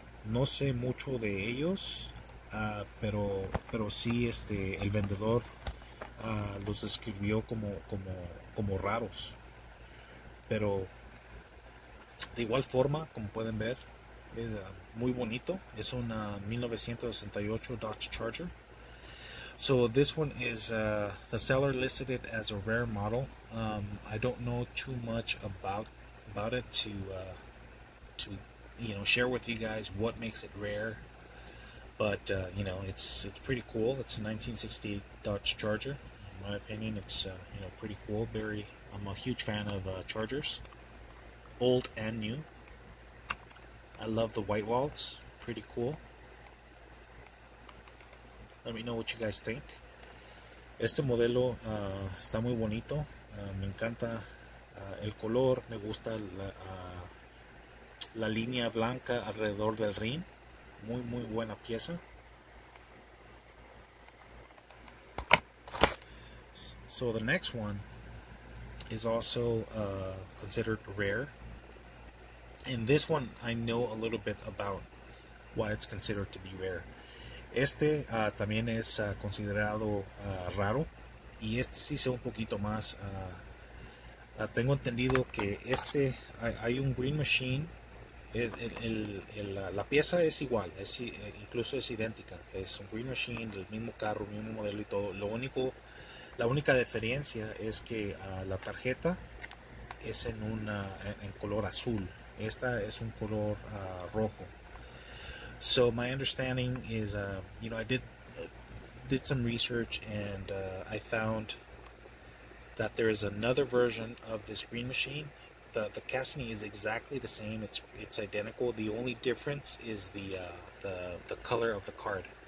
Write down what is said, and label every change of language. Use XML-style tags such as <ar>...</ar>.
<es>No sé mucho de ellos, pero sí el vendedor los describió como raros, pero de igual forma, como pueden ver, es muy bonito. Es una 1968 Dodge Charger.</es> <en>So this one is the seller listed it as a rare model. I don't know too much about it to share with you guys what makes it rare, but you know, it's pretty cool. It's a 1968 Dodge Charger. My opinion, it's you know, pretty cool. Very, I'm a huge fan of Chargers, old and new. I love the white walls, pretty cool. Let me know what you guys think.</en> <es>Este modelo está muy bonito. Me encanta el color. Me gusta la línea blanca alrededor del rim. Muy, muy buena pieza.</es> <en>So the next one is also considered rare, and this one I know a little bit about why it's considered to be rare.</en> <es>Este también es considerado raro, y este sí sé un poquito más. Tengo entendido que hay un Green Machine. La pieza es igual, incluso es idéntica. Es un Green Machine, el mismo carro, mismo modelo y todo. La única diferencia es que la tarjeta es en color azul. Esta es un color rojo.</es> <en>So my understanding is, you know, I did some research, and I found that there is another version of this Green Machine. The casting is exactly the same. It's identical. The only difference is the color of the card.</en>